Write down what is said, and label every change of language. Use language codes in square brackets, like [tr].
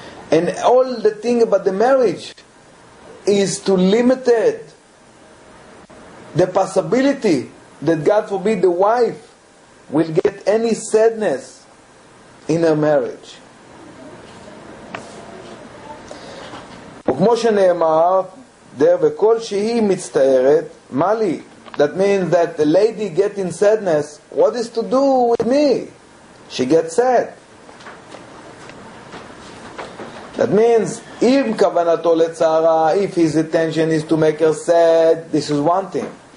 [en] And all the thing about the marriage is to limit it. The possibility that, God forbid, the wife will get any sadness in her marriage. [he] וכמו שנאמר, דר וכל שהיא מצטערת, מה לי? [en] That means that the lady getting sadness, what is to do with me? She gets sad. That means, if kavanato letzara, if his intention is to make her sad, this is one thing.